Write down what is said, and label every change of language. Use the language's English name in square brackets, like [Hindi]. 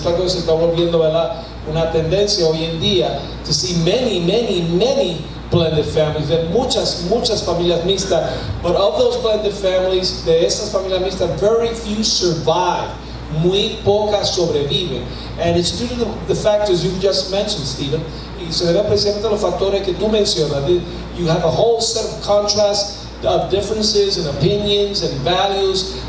[Spanish] Esto algo se está volviendo, ¿verdad? Una tendencia hoy en día [English] to see many, many, many blended families. [Spanish] Ver muchas, muchas familias mixtas. [English] But of those blended families, [Spanish] de esas familias mixtas, [English] very few survive. [Spanish] Muy pocas sobreviven. [English] And it's due to the factors you just mentioned, Stephen. [Spanish] Y se debe precisamente a los factores que tú mencionas. [English] You have a whole set of contrasts, of differences in opinions and values.